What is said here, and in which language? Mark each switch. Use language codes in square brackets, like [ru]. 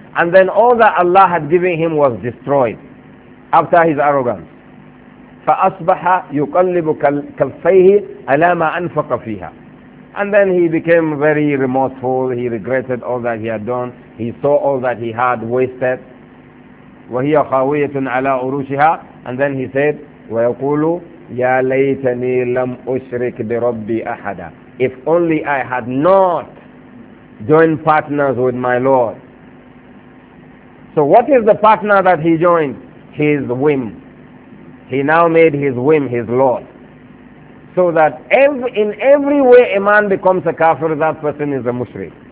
[en] And then all that Allah had given him was destroyed after his arrogance. [ar] فَأَصْبَحَ يُقَلِّبُ كَلْفَيْهِ عَلَى مَا أَنْفَقَ فِيهَا. [en] And then he became very remorseful. He regretted all that he had done. He saw all that he had wasted. [ar] وَهِيَ خَاوِيَةٌ عَلَى عُرُوشِهَا. [en] And then he said, [ar] وَيَقُولُ يَا لَيْتَنِي لَمْ أُشْرِكْ بِرَبِّي أَحَدًا. [en] If only I had not joined partners with my Lord. So what is the partner that he joined? His whim. He now made his whim his Lord. So that in every way a man becomes a kafir, that person is a mushrik.